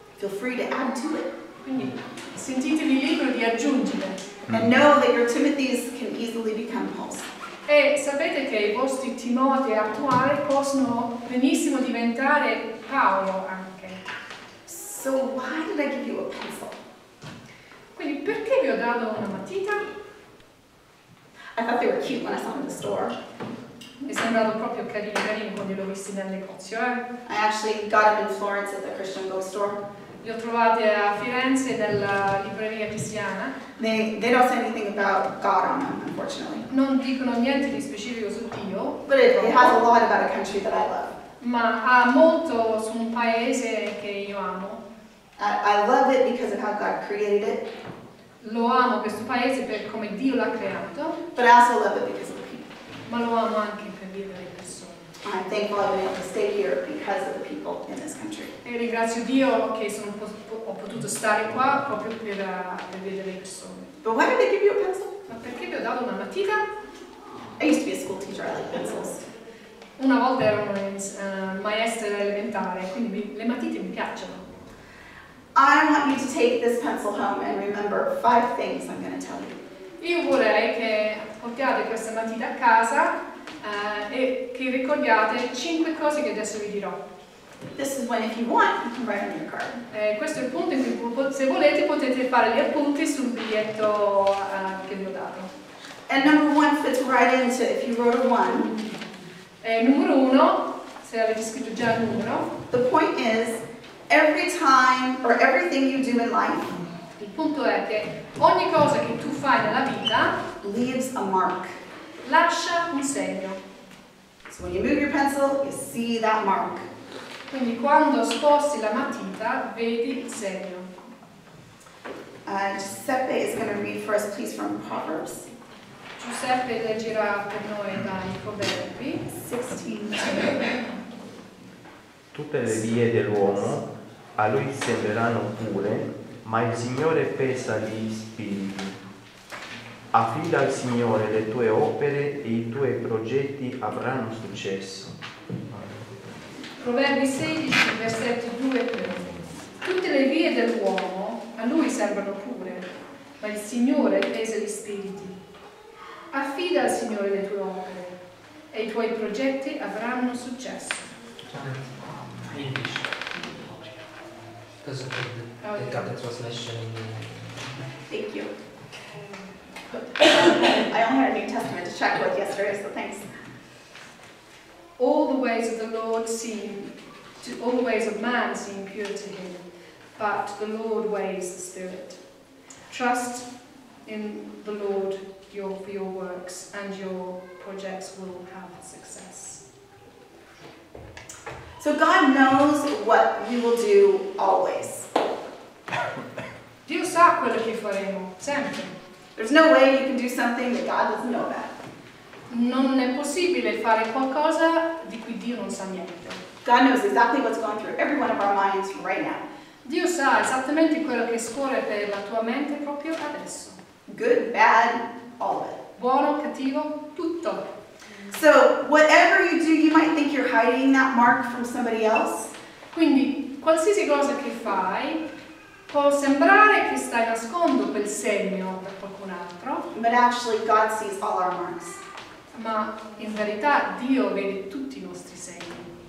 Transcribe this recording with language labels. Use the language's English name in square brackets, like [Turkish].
[English] Feel free to add to it. [Italian] Quindi sentitevi libero di aggiungere. [English] And know that your Timotheys can easily become Pauls. [Italian] E sapete che i vostri Timotei attuali possono benissimo diventare Paolo anche. [English] So why did I give you a pencil? [Italian] Quindi perché vi ho dato una matita? [English] I thought they were cute when I saw them in the store. [Italian] Mi è sembrato proprio carino quando l'ho visto nel negozio, eh? [English] I actually got them in Florence at the Christian bookstore. [Italian] Li ho trovati a Firenze nella libreria cristiana. [English] They don't say anything about God on them, unfortunately. [Italian] Non dicono niente di specifico su Dio. [English] But it has a lot about a country that I love. [Italian] Ma ha molto su un paese che io amo. [English] I love it because of how God created it. [Italian] Lo amo questo paese per come Dio l'ha creato. [English] But I also love it because of the people. [Italian] Ma lo amo anche per vivere le persone. [English] I'm thankful I've been able to stay here because of the people in this country. [Italian] E ringrazio Dio che ho potuto stare qua proprio per vedere le persone. [English] But why did they give you a pencil? [Italian] Ma perché vi ho dato una matita? [English] I used to be a school teacher. I like pencils. [Italian] Una volta ero una maestra elementare, quindi le matite mi piacciono. [English] I want you to take this pencil home and remember five things I'm going to tell you. [Italian] Io vorrei che portiate questa matita a casa e che ricordiate cinque cose che adesso vi dirò. [English] This is when, if you want, you can write on your card. [Italian] Questo è il punto in cui, se volete, potete fare gli appunti sul biglietto che vi ho dato. [English] And number one fits right into if you wrote a one. [Italian] Numero uno, se avete scritto già il numero. [English] The point is, every time or everything you do in life, [Italian] il punto è che ogni cosa che tu fai nella vita [English] leaves a mark. [Italian] Lascia un segno. [English] So when you move your pencil, you see that mark. [Italian] Quindi quando sposti la matita, vedi il segno. [English] Giuseppe is going to read for us, please, from Proverbs. [Italian] Giuseppe leggerà per noi dai Proverbi 16. Tutte le vie dell'uomo a lui sembreranno pure, ma il Signore pesa gli spiriti. Affida al Signore le tue opere e i tuoi progetti avranno successo. Proverbi 16, versetti 2 e 3. Tutte le vie dell'uomo a lui sembrano pure, ma il Signore pesa gli spiriti. Affida al Signore le tue opere e i tuoi progetti avranno successo. [English] Because of the God that was mentioned in the... Thank you. Okay. I only had a New Testament to check with yesterday, so thanks. All the ways of the Lord seem, all the ways of man seem pure to him, but the Lord weighs the spirit. Trust in the Lord for your works, and your projects will have success. So God knows what we will do always. [Italian] Dio sa quello che faremo sempre. [English] There's no way you can do something that God doesn't know about. [Italian] Non è possibile fare qualcosa di cui Dio non sa niente. [English] God knows exactly what's going through every one of our minds right now. [Italian] Dio sa esattamente quello che scorre per la tua mente proprio adesso. [English] Good, bad, all of it. [Italian] Buono, cattivo, tutto. [English] So, whatever you do, you might think you're hiding that mark from somebody else. [Italian] Quindi, qualsiasi cosa che fai, può sembrare che stai nascondo quel segno da qualcun altro. [English] But actually, God sees all our marks. [Italian] Ma, in verità, Dio vede tutti i nostri segni.